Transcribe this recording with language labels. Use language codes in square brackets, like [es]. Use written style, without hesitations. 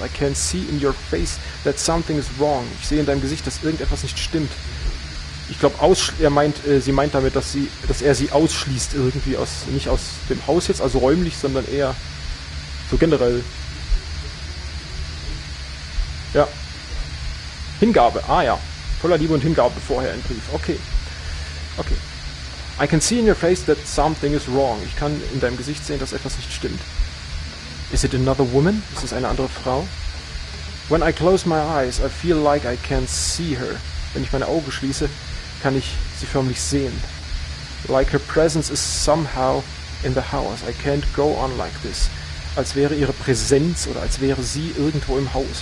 [en] I can see in your face that something is wrong. [de] Ich sehe in deinem Gesicht, dass irgendetwas nicht stimmt. Ich glaube, sie meint damit, dass er sie ausschließt irgendwie aus, nicht aus dem Haus jetzt, also räumlich, sondern eher so generell. Ja. Hingabe, ah ja. Voller Liebe und Hingabe vorher im Brief. Okay. [en] I can see in your face that something is wrong. [de] Ich kann in deinem Gesicht sehen, dass etwas nicht stimmt. [en] Is it another woman? [de] Ist es eine andere Frau? [en] When I close my eyes, I feel like I can see her. [de] Wenn ich meine Augen schließe, kann ich sie förmlich sehen. [en] Like her presence is somehow in the house. I can't go on like this. [de] Als wäre ihre Präsenz oder als wäre sie irgendwo im Haus.